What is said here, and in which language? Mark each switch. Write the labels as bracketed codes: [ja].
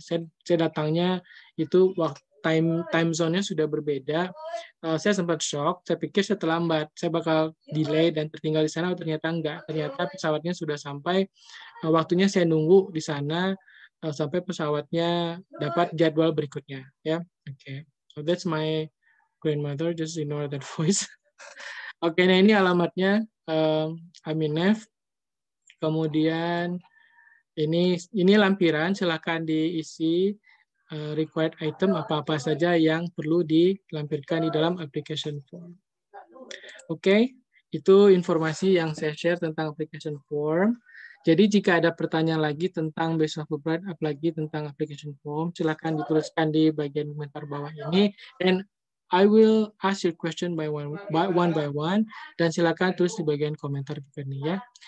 [id] Saya datangnya itu waktu time zone-nya sudah berbeda. Saya sempat shock, saya pikir saya terlambat, saya bakal delay dan tertinggal di sana, ternyata enggak. Ternyata pesawatnya sudah sampai. Waktunya saya nunggu di sana sampai pesawatnya dapat jadwal berikutnya, ya. Oke. Okay. [en] So that's my grandmother, just ignore that voice. [id] Oke, okay, nah ini alamatnya Aminev. Kemudian ini lampiran, silakan diisi required item apa-apa saja yang perlu dilampirkan di dalam application form. Oke, okay, itu informasi yang saya share tentang application form. Jadi jika ada pertanyaan lagi tentang Visa Fulbright, apalagi tentang application form, silakan dituliskan di bagian komentar bawah ini. [en] And I will ask your question by one by one. [id] Dan silakan tulis di bagian komentar ini ya.